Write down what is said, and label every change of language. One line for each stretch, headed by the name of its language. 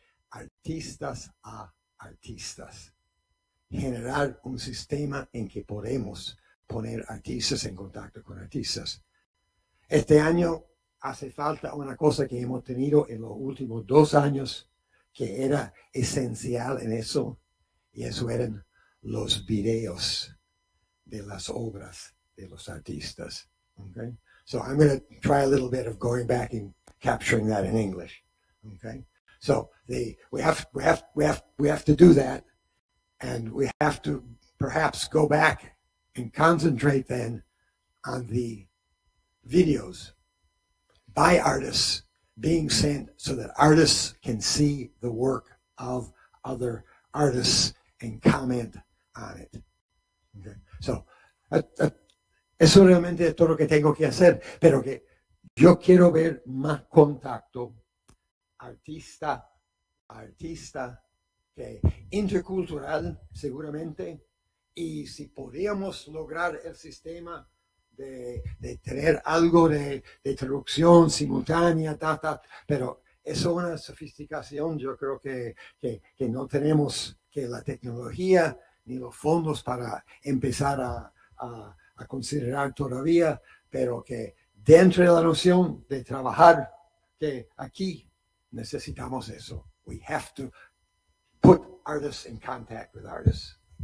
Spanish: Artistas a artistas. Generar un sistema en que podemos poner artistas en contacto con artistas. Este año hace falta una cosa que hemos tenido en los últimos dos años que era esencial en eso, y eso eran los videos de las obras de los artistas.
English: Okay? So I'm going to try a little bit of going back and capturing that in English. Okay? So we have to do that, and we have to perhaps go back and concentrate then on the videos by artists being sent so that artists can see the work of other artists and comment on it. Okay.
Spanish: So, eso realmente es todo lo que tengo que hacer, pero que yo quiero ver más contacto artista, artista, que intercultural seguramente, y si podíamos lograr el sistema de tener algo de traducción simultánea, pero eso es una sofisticación, yo creo que no tenemos que la tecnología ni los fondos para empezar a considerar todavía, pero que dentro de la noción de trabajar que aquí necesitamos eso.
English: We have to put artists in contact with artists.